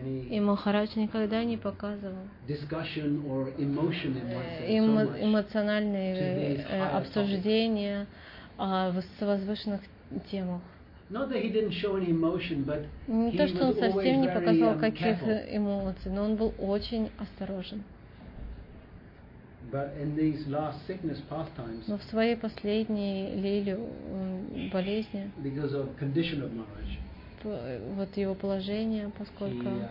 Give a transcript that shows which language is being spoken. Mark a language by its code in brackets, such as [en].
[ru] И Махарадж никогда не показывал эмоциональные обсуждения в возвышенных темах. [en] Not that he didn't show any emotion, but [ru] не то, что он совсем не показал каких эмоций, но он был очень осторожен. [en] But in these last sickness pastimes. [ru] Но в своей последней лиле болезни. [en] Because of condition of marriage. [ru] Вот его положение, поскольку.